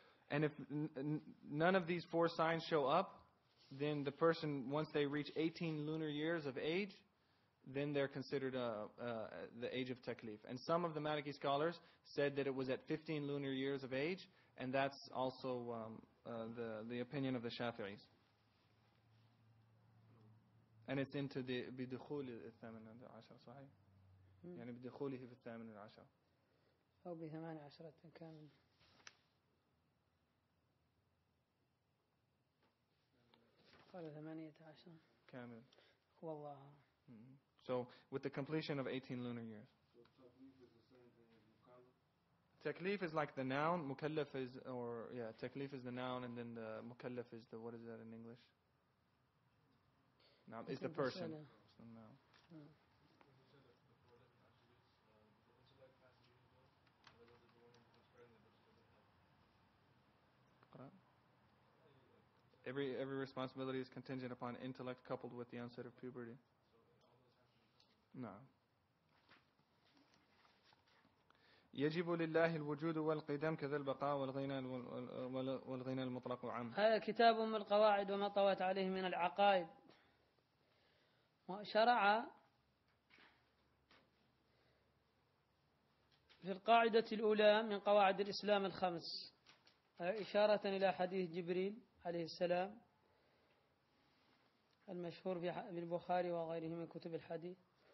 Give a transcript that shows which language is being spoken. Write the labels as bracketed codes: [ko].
[en] And if none of these four signs show up, then the person, once they reach 18 lunar years of age, then they're considered the age of taklif. And some of the Maliki scholars said that it was at 15 lunar years of age, and that's also the opinion of the Shafi'is. And it's into the [ar] بدخول الثامن عشر صحيح يعني بدخوله في الثامن عشر أو بثمان عشرة كامل قال ثمانية عشر كامل والله [en] So with the completion of 18 lunar years. Taklif is like the noun. Mukallaf is taklif is the noun, and then the mukallaf is the, what is that in English? No, it's the person. So no. Every responsibility is contingent upon intellect coupled with the onset of puberty. No. [ar] يجب لله الوجود والقدم كذا البقاء والغنى المطلق عام. هذا كتاب من القواعد وما طوت عليه من العقائد. وشرع في القاعدة الأولى من قواعد الإسلام الخمس إشارة إلى حديث جبريل عليه السلام المشهور في البخاري وغيره من كتب الحديث.